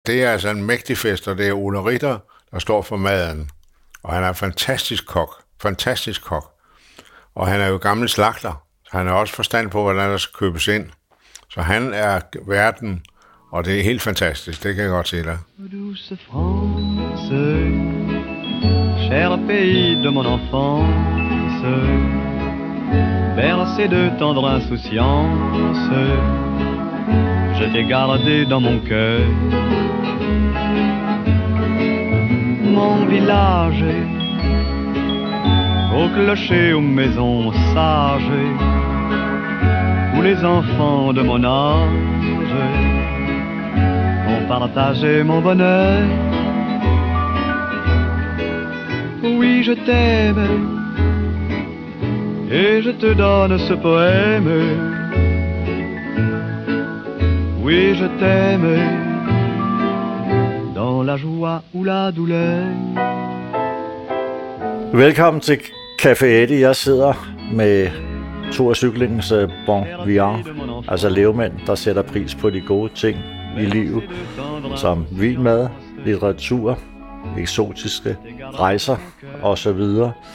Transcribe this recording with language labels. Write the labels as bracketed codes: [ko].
[da] Det er altså en mægtig fest, og det er Ole Ritter, der står for maden. Og han er en fantastisk kok. Fantastisk kok. Og han er jo gammel slagter. Så han har også forstand på, hvordan der skal købes ind. Så han er verden, og det er helt fantastisk. Det kan jeg godt se dig. [fr] Douce France, cher pays de mon enfance, bercé de tendre insouciance, je t'ai gardé dans mon cœur. Mon village, au clocher, aux maisons sages, où les enfants de mon âge ont partagé mon bonheur. Oui, je t'aime et je te donne ce poème. Oui, je t'aime dans la joie ou la douleur. [da] Velkommen til Café Eddie. Jeg sidder med Tour Cyklingens Bon Vivant, altså levemænd, der sætter pris på de gode ting i livet, som vin, mad, litteratur, eksotiske rejser og så videre.